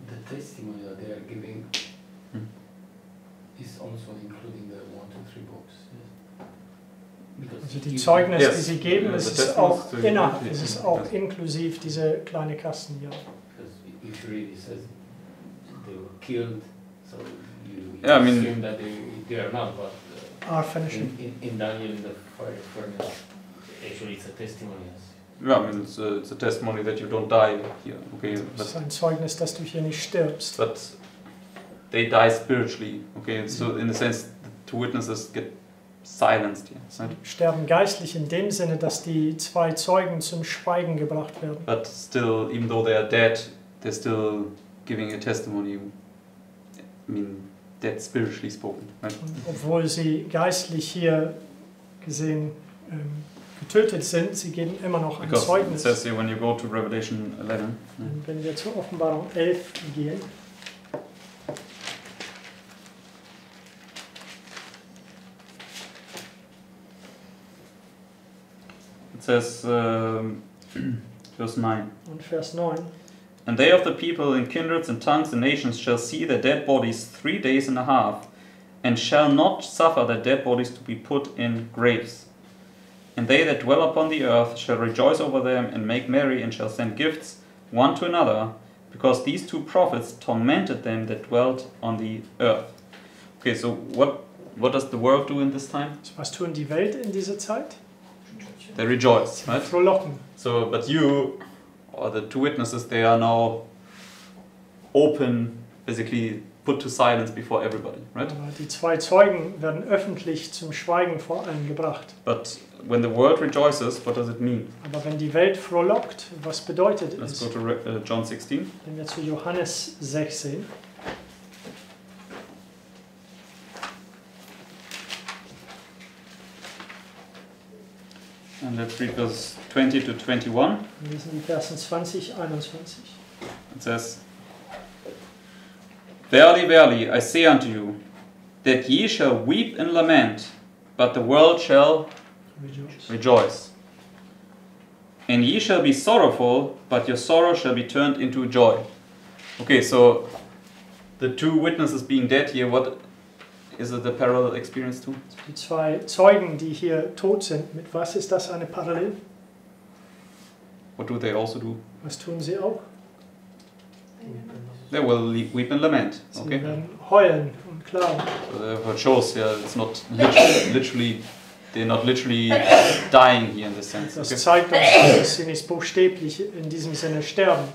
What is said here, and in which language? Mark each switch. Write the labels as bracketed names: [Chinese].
[English] Testimony that they are giving is also including the 1-2-3 books. [German] Also die Zeugnis, yes, die sie geben, yeah, ist auch innerhalb, ist auch inklusiv diese kleine Kasten hier. [English] Because if you read it says they were killed, so you assume that they are not, but are finishing. In Daniel, in the fire furnace, actually it's a testimony. Yeah, I mean, it's a testimony that you don't die here, okay? [German] Es ist ein Zeugnis, dass du hier nicht stirbst. [English] But they die spiritually, okay? Mm-hmm. So in the sense, the two witnesses get silenced here, right? [German] Sterben geistlich in dem Sinne, dass die zwei Zeugen zum Schweigen gebracht werden. [English] But still, even though they are dead, they're still giving a testimony. I mean, dead spiritually spoken, right? [German] Und obwohl sie geistlich hier gesehen getötet sind, sie geben immer noch ein [English] Because [German] Zeugnis. [English] It says here, when you go to Revelation 11, [German] wenn wir zur Offenbarung 11 gehen, [English] it says, verse 9. [German] Und Vers 9. [English] And they of the people and kindreds and tongues and nations shall see their dead bodies 3 days and a half and shall not suffer their dead bodies to be put in graves. And they that dwell upon the earth shall rejoice over them and make merry and shall send gifts one to another, because these two prophets tormented them that dwelt on the earth. Okay, so what does the world do in this time? [German] So was tun die Welt in dieser Zeit? [English] They rejoice, right? [German] Frohlocken. [English] So, but you, or the two witnesses, they are now open, basically put to silence before everybody, right? [German] Die zwei Zeugen werden öffentlich zum Schweigen vor allen gebracht. [English] But when the world rejoices, what does it mean? [German] Aber wenn die Welt frohlockt, was bedeutet [English] Let's go to John 16. [German] Wenn wir zu Johannes 16. [English] And let's read verse 20 to 21. [German] Wir sind in Versen 20, 21. [English] It says, "Verily, verily, I say unto you, that ye shall weep and lament, but the world shall rejoice. And ye shall be sorrowful, but your sorrow shall be turned into joy." Okay, so the two witnesses being dead here, what is it the parallel experience to? [German] Die zwei Zeugen, die hier tot sind, mit was ist das eine Parallel? [English] What do they also do? [German] Was tun sie auch? [English] They will weep and lament. Okay. [German] Sie werden heulen und klagen. [English] So therefore it shows, yeah, it's not literally, they're not literally dying here in this sense. [German] Das zeigt uns, dass sie nicht buchstäblich in diesem Sinne sterben.